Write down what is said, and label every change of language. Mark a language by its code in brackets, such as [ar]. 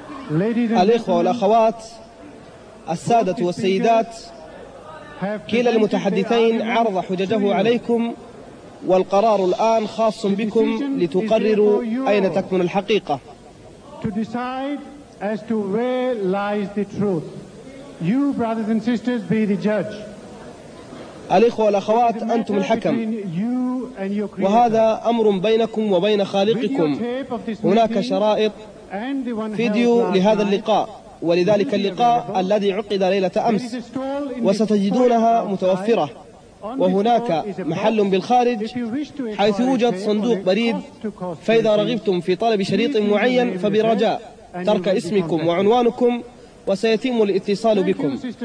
[ar] الإخوة والأخوات، السادة والسيدات، كلا المتحدثين عرض حججه عليكم، والقرار الآن خاص بكم لتقرروا أين تكمن الحقيقة. [en] To decide as to where lies the truth. You brothers and sisters be the judge. [ar] الإخوة والأخوات أنتم الحكم، وهذا أمر بينكم وبين خالقكم. هناك شرائط فيديو لهذا اللقاء ولذلك اللقاء الذي عقد ليلة أمس، وستجدونها متوفرة، وهناك محل بالخارج حيث يوجد صندوق بريد، فإذا رغبتم في طلب شريط معين فبرجاء ترك اسمكم وعنوانكم وسيتم الاتصال بكم.